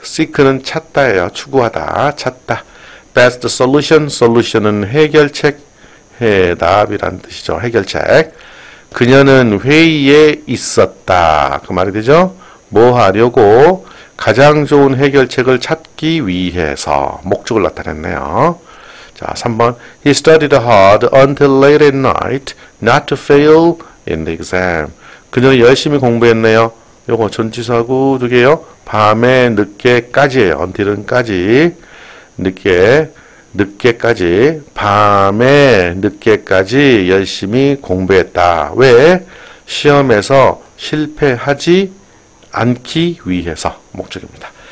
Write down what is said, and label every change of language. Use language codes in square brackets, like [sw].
[ko] Seek는 찾다예요. 추구하다. 찾다. Best solution. Solution은 해결책. 해답이란 뜻이죠. 해결책. 그녀는 회의에 있었다. 그 말이 되죠? 뭐 하려고? 가장 좋은 해결책을 찾기 위해서. 목적을 나타냈네요. 자, 3번. [en] He studied hard until late at night not to fail in the exam. [ko] 그녀는 열심히 공부했네요. 요거 전치사구 두 개요. 밤에 늦게까지예요. until은 까지. 늦게, 늦게까지. 밤에 늦게까지 열심히 공부했다. 왜? 시험에서 실패하지 않기 위해서 목적입니다.